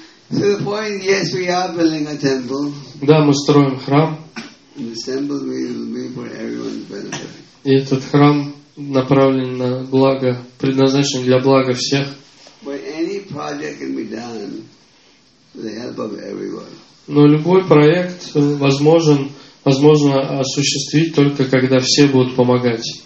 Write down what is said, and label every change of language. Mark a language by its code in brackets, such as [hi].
[en] So the point, yes, we are building a temple. [ru] Да, мы строим храм. [en] This temple will be for everyone's benefit. [ru] И этот храм направлен на благо, предназначен для блага всех. [en] But any project can be done with the help of everyone. [ru] Но любой проект возможен. Возможно осуществить только когда все будут помогать.